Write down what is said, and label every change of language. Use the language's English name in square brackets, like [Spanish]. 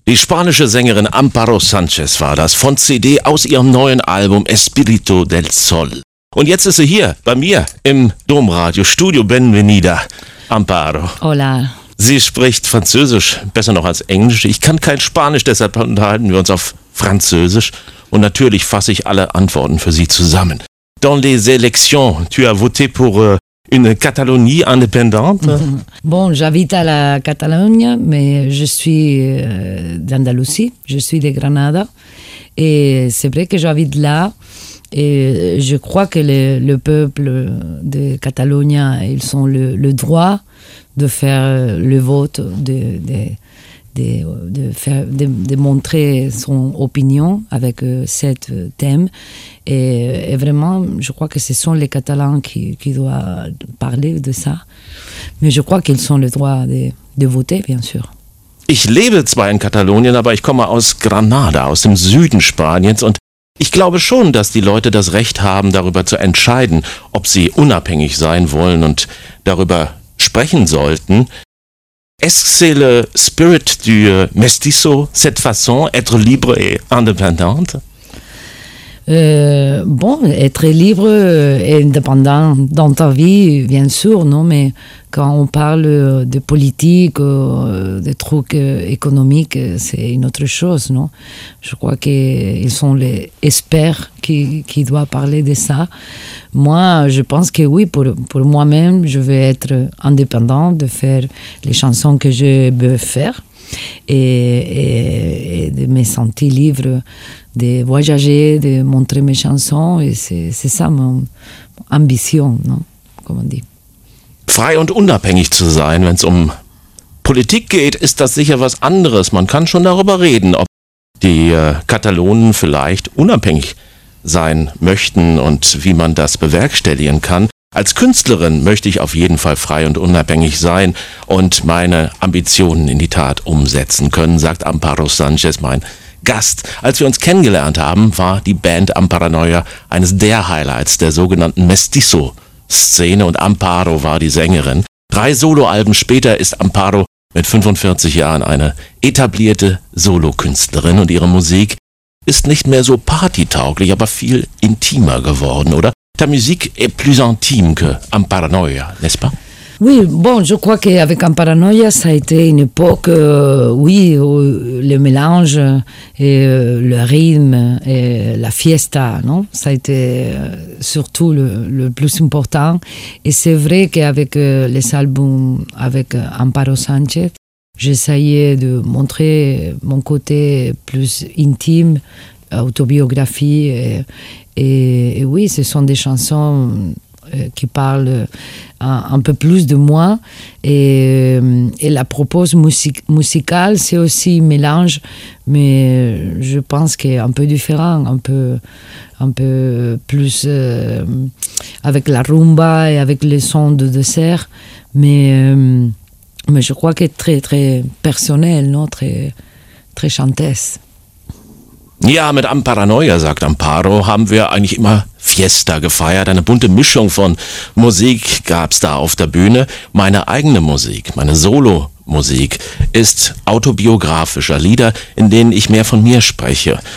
[German] Die spanische Sängerin Amparo Sanchez war das, von CD aus ihrem neuen Album Espíritu del Sol. Und jetzt ist sie hier, bei mir, im Domradio Studio. [Spanish] Benvenida, Amparo. Hola. [German] Sie spricht Französisch, besser noch als Englisch. Ich kann kein Spanisch, deshalb unterhalten wir uns auf Französisch. Und natürlich fasse ich alle Antworten für Sie zusammen. [French] Dans les élections, tu as voté pour une Catalogne indépendante? Bon, j'habite à la Catalogne, mais je suis d'Andalousie, je suis de Granada. Et c'est vrai que j'habite là. Et je crois que le peuple de Catalogne, ils ont le droit de faire le vote, de montrer son opinion avec cet thème. Et vraiment, je crois que ce sont les Catalans qui doivent parler de ça. Mais je crois qu'ils ont le droit de voter, bien sûr. [German] Ich lebe zwar in Katalonien, aber ich komme aus Granada, aus dem Süden Spaniens. Und ich glaube schon, dass die Leute das Recht haben, darüber zu entscheiden, ob sie unabhängig sein wollen und darüber sprechen sollten. [French] Est-ce que c'est le spirit du mestizo, cette façon, être libre et indépendant? Bon, être libre et indépendant dans ta vie, bien sûr, non? Mais quand on parle de politique, de trucs économiques, c'est une autre chose, non? Je crois qu'ils sont les experts qui doivent parler de ça. Moi, je pense que oui, pour moi-même, je veux être indépendant, de faire les chansons que je veux faire. Et de me sentir libre, de voyager, de montrer mes chansons, et c'est ça mon ambition, non? Comme on dit. [German] Frei und unabhängig zu sein, wenn es um Politik geht, ist das sicher was anderes. Man kann schon darüber reden, ob die Katalonen vielleicht unabhängig sein möchten und wie man das bewerkstelligen kann. Als Künstlerin möchte ich auf jeden Fall frei und unabhängig sein und meine Ambitionen in die Tat umsetzen können, sagt Amparo Sanchez, mein Gast. Als wir uns kennengelernt haben, war die Band Amparanoia eines der Highlights der sogenannten Mestizo-Szene und Amparo war die Sängerin. 3 Soloalben später ist Amparo mit 45 Jahren eine etablierte Solokünstlerin und ihre Musik ist nicht mehr so partytauglich, aber viel intimer geworden, oder? [French] Ta musique est plus intime que Amparanoia, n'est-ce pas? Oui, bon, je crois qu'avec Amparanoia, ça a été une époque, oui, où le mélange, et le rythme, et la fiesta, non? Ça a été surtout le plus important. Et c'est vrai qu'avec les albums avec Amparo Sanchez, j'essayais de montrer mon côté plus intime, autobiographie, et oui, ce sont des chansons qui parlent un peu plus de moi. Et la propose musicale, c'est aussi un mélange, mais je pense qu'est un peu différent, un peu plus avec la rumba et avec les sons de dessert. Mais je crois qu'est très très personnel, non, très très chanteuse. [German] Ja, mit Amparanoia, sagt Amparo, haben wir eigentlich immer Fiesta gefeiert. Eine bunte Mischung von Musik gab's da auf der Bühne. Meine eigene Musik, meine Solo-Musik, ist autobiografischer Lieder, in denen ich mehr von mir spreche.